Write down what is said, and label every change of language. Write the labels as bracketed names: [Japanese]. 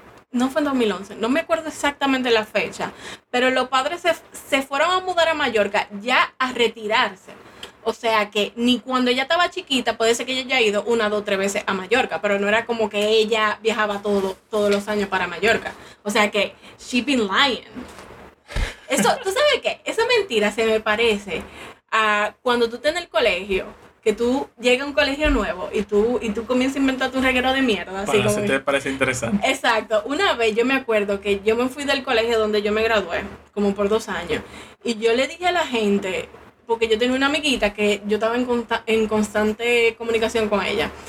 [Spanish] No fue en 2011, no me acuerdo exactamente la fecha. Pero los padres se fueron a mudar a Mallorca ya a retirarse. O sea que ni cuando ella estaba chiquita, puede ser que ella haya ido una, dos, tres veces a Mallorca, pero no era como que ella viajaba todos los años para Mallorca. O sea que, [English] she's been lying. [Spanish] Eso, ¿tú sabes qué? Esa mentira se me parece a cuando tú estás en el colegio, que tú llegas a un colegio nuevo y tú comienzas a inventar tu reguero de mierda. Así bueno, como si te parece interesante. Exacto. Una vez yo me acuerdo que yo me fui del colegio donde yo me gradué, como por 2 años, y yo le dije a la gente, porque yo tenía una amiguita que yo estaba en constante comunicación con ella.